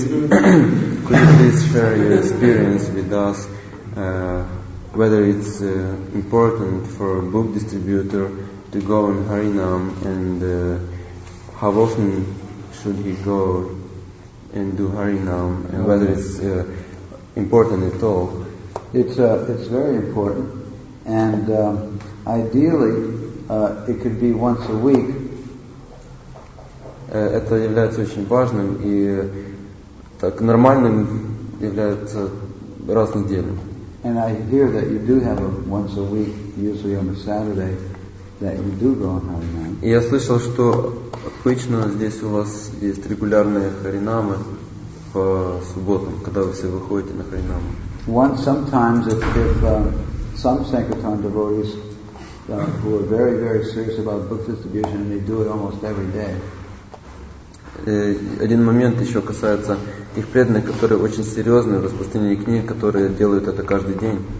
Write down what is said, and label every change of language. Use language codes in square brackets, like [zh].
[en] Could you please share your experience with us, whether it's important for a book distributor to go on Harinam, and how often should he go and do Harinam, and whether it's important at all? It's very important, and ideally it could be once a week. [ru] Это является очень важным, и так нормальным является раз в неделю. [en] And I hear that you do have once a week, usually on a Saturday, that you do go on Harinam. [ru] Я слышал, что обычно здесь у вас есть регулярные харинамы по субботам, когда вы все выходите на харинамы. [en] Once, sometimes, if some Sankirtan devotees who are very, very serious about book distribution, and they do it almost every day. [ru] Один момент еще касается тех преданных, которые очень серьезны в распространении книг, которые делают это каждый день.